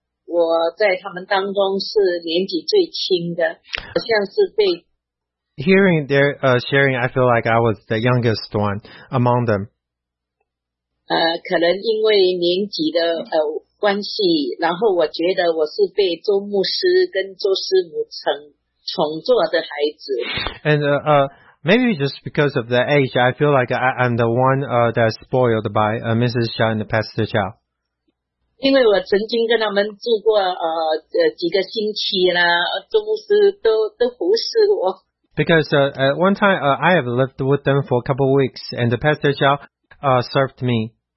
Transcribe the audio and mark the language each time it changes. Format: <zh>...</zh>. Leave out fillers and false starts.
<en>Hearing their sharing, I feel like I was the youngest one among them.</en> <zh>可能因为年纪的关系，然后我觉得我是被周牧师跟周师母宠坐的孩子。</zh> <en>And maybe just because of the age, I feel like I'm the one that's spoiled by Mrs. Xia and Pastor Chow.</en> <zh>因为我曾经跟他们住过几个星期啦，周牧师都服侍我。</zh> <en>Because at one time I have lived with them for a couple of weeks, and the Pastor Xiao served me.</en>